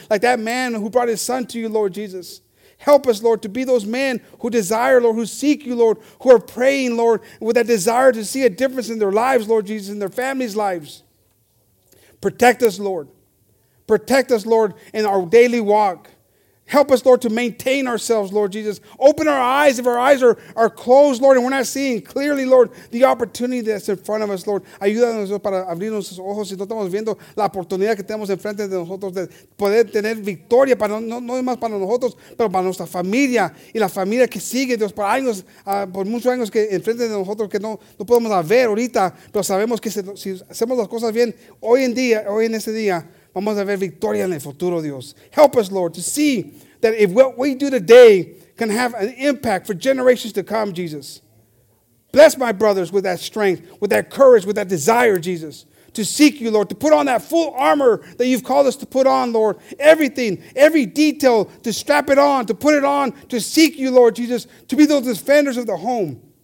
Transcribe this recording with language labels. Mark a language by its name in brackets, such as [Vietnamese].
[English] Like that man who brought his son to you, Lord Jesus. Help us, Lord, to be those men who desire, Lord, who seek you, Lord, who are praying, Lord, with that desire to see a difference in their lives, Lord Jesus, in their families' lives. Protect us, Lord. Protect us, Lord, in our daily walk. Help us, Lord, to maintain ourselves, Lord Jesus. Open our eyes if our eyes are closed, Lord, and we're not seeing clearly, Lord, the opportunity that's in front of us, Lord. [Spanish] Ayúdanos para abrir nuestros ojos si no estamos viendo la oportunidad que tenemos enfrente de nosotros de poder tener victoria, para no más para nosotros, pero para nuestra familia y la familia que sigue, Dios, por años, por muchos años que enfrente de nosotros que no podemos ver ahorita, pero sabemos que si hacemos las cosas bien hoy en día, hoy en ese día, vamos a ver victoria en el futuro, Dios. [English] Help us, Lord, to see that if what we do today can have an impact for generations to come, Jesus. Bless my brothers with that strength, with that courage, with that desire, Jesus, to seek you, Lord, to put on that full armor that you've called us to put on, Lord. Everything, every detail, to strap it on, to put it on, to seek you, Lord Jesus, to be those defenders of the home.